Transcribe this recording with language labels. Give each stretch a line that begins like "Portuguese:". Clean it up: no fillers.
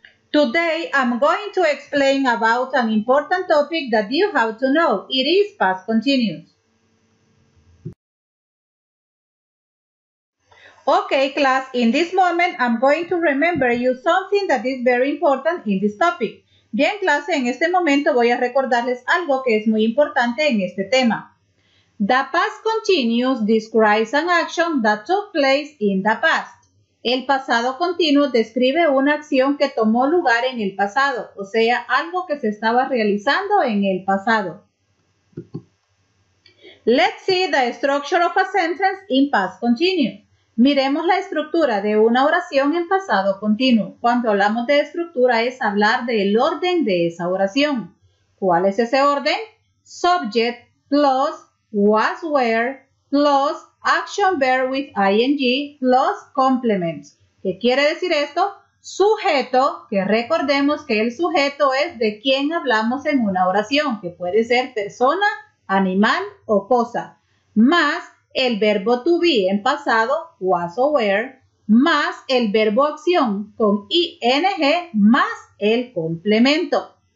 English: Today, I'm going to explain about an important topic that you have to know. It is past continuous. Okay, class, in this moment, I'm going to remember you something that is very important in this topic.
Spanish: Bien, clase, en este momento voy a recordarles algo que es muy importante en este tema.
English: The past continuous describes an action that took place in the past.
Spanish: El pasado continuo describe una acción que tomó lugar en el pasado, o sea, algo que se estaba realizando en el pasado.
English: Let's see the structure of a sentence in past continuous.
Spanish: Miremos la estructura de una oración en pasado continuo. Cuando hablamos de estructura es hablar del orden de esa oración. ¿Cuál es ese orden?
English: Subject plus was where plus action verb with ing plus complements.
Spanish: ¿Qué quiere decir esto? Sujeto, que recordemos que el sujeto es de quien hablamos en una oración, que puede ser persona, animal o cosa, más el verbo to be en pasado, was or were, más el verbo acción con ing, más el complemento.